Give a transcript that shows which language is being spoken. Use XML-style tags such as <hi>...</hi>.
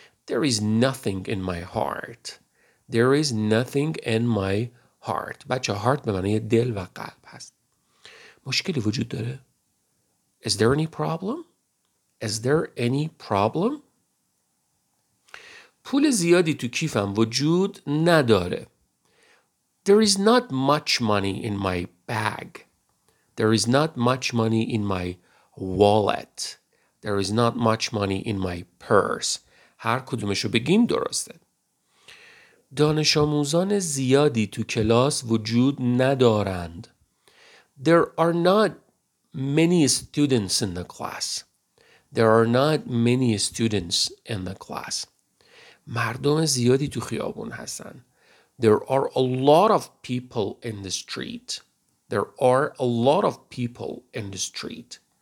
<en>There is nothing in my heart. There is nothing in my heart.</en> <fa>بچه heart به معنی دل و قلب هست. مشکلی وجود داره؟</fa> <en>Is there any problem? Is there any problem?</en> <fa>پول زیادی تو کیفم وجود نداره.</fa> <en>There is not much money in my bag. There is not much money in my wallet. There is not much money in my purse.</en> <fa>هر کدومشو بگیم درسته. دانش آموزان زیادی تو کلاس وجود ندارند.</fa> <en>There are not many students in the class. There are not many students in the class.</en> <fa>مردم زیادی تو خیابون هستن.</fa> <en>There are a lot of people in the street. There are a lot of people in the street.</en>